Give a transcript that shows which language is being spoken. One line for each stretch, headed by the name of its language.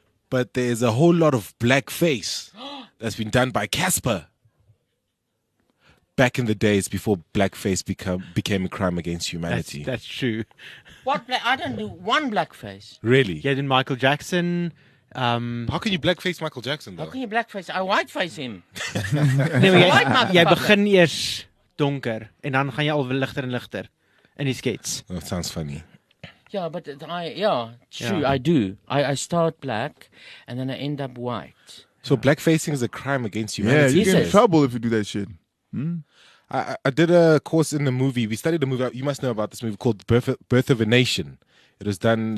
English: But there's a whole lot of blackface that's been done by Casper. Back in the days before blackface became a crime against humanity. That's true. What? I don't do one blackface. Really? Yeah, then Michael Jackson. How can you blackface Michael Jackson, though? How can you blackface? I whiteface him.
Afrikaans: Jy begin eers donker en dan gaan jy al ligter en ligter in die skets.
English: That sounds funny. Yeah, but I do. I start black, and then I end up white. So blackfacing is a crime against humanity. Yeah, you get in trouble if you do that shit. Hmm? I did a course in the movie. We studied a movie. You must know about this movie called Birth of a Nation. It was done.